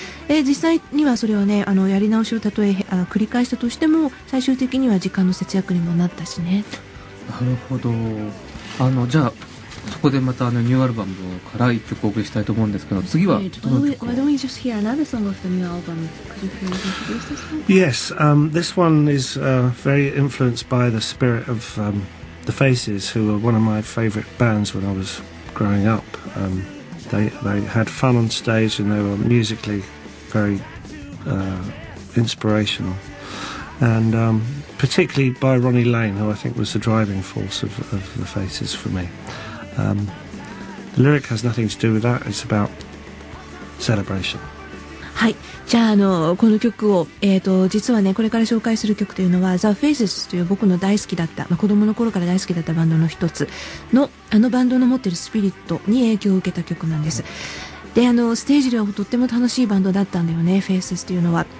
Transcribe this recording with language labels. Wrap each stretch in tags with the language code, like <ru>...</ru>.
<ja>実際にはそれはね、やり直しをたとえ繰り返したとしても最終的には時間の節約にもなったしね。なるほど。じゃあそこでまたニューアルバムから1曲お送りしたいと思うんですけど、次はどの曲を。</ja> <en>Why don't we just hear another song of the new album? Could you please introduce this one? Yes, this one is very influenced by the spirit of The Faces, who were one of my favorite bands when I was growing up. They had fun on stage and they were musically very inspirational. and particularly by Ronnie Lane, who I think was the driving force of the Faces for me. The lyric has nothing to do with that, it's about celebration.</en> <ja>はい、じゃあこの曲を、実はねこれから紹介する曲というのは The Faces という僕の大好きだった、まあ、子供の頃から大好きだったバンドの一つのあのバンドの持ってるスピリットに影響を受けた曲なんです。でステージではとっても楽しいバンドだったんだよね Faces というのは。</ja>